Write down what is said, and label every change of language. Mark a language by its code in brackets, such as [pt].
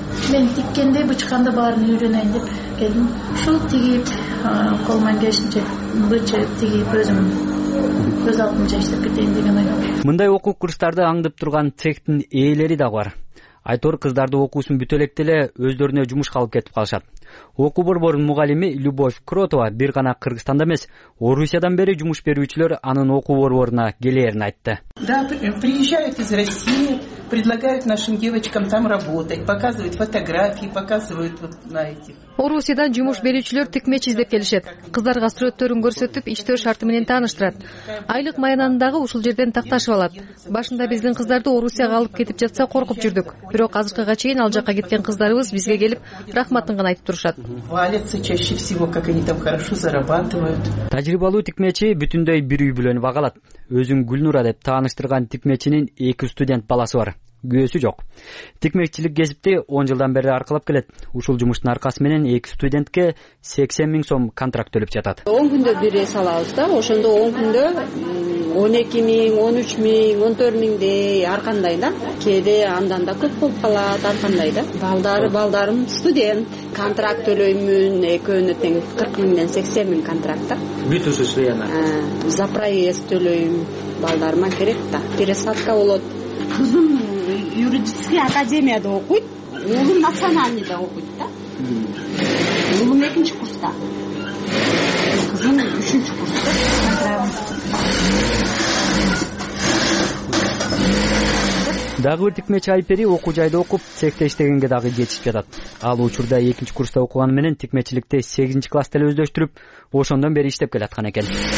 [ky] Мен тиккенде бычканды баарын үйрөнөйүн деп келдим. Ушул тигип, колуман келишинче быча тигип өзүм көз алдымча иштеп кетейин деген ойдомун. Мындай окуу курстарды аңдып турган цехтин ээлери да бар. Айтор кыздарды окуусун бүтө электе эле өздөрүнө жумушка алып кетип калышат. Окуу борборунун мугалими Любовь Кротова бир гана Кыргызстанда эмес, Орусиядан бери жумуш берүүчүлөр анын окуу борборуна келерин айтты. [ru] Да, приезжают из России, предлагают нашим девочкам там работать, показывают фотографии, показывают вот на этих. [ky] Орусиядан жумуш берүүчүлөр тикмеч издеп келишет. Кыздарга сүрөттөрүн көрсөтүп, иштөө шарты менен тааныштырат. Айлык маянандагы ушул жерден такташып алат. Башында биздин кыздарды Орусияга алып кетип жатса коркуп жүрдүк. Бирок азыркыга чейин ал жакка кеткен кыздарыбыз бизге келип, рахматын гана айтып турушат. [ru] Валятся чаще всего, как они там хорошо зарабатывают. [ky] Тажрыйбалуу тикмечи бүтүндөй бир үй бүлөнү багалат. Өзүн Гүлнура деп тааныштырган тикмечинин эки студент баласы бар. Күйөсү жок. Тикмечилик кесипти 10 жылдан бери аркалап келет. Ушул жумуштун аркасы менен эки студентке 80,000 сом контракт төлөп жатат. 10 күндө бир эс алабыз да. Ошондо 10 күндө 12,000, 13,000, 14,000 ар кандай да. Кээде андан да көп болуп калат, ар кандай да. Балдарым студент. Контракт төлөймүн, экөөнө тең 40,000-ден 80,000 контракт да. Бүт ушу иштеген. [ru] За проезд [ky] төлөйм. Балдарыма керек да. Пересадка болот. Кызым юридический академияда окуйт, улум национальныйда окуйт да. Улум экинчи курста, кызым үчүнчү курста. Дагы бир тикмечи Айпери окуу жайда окуп, цехте иштегенге дагы жетишип жатат. Ал учурда экинчи курста окуганы менен тикмечиликте 8-классты эле өздөштүрүп, ошондон бери иштеп келаткан экен.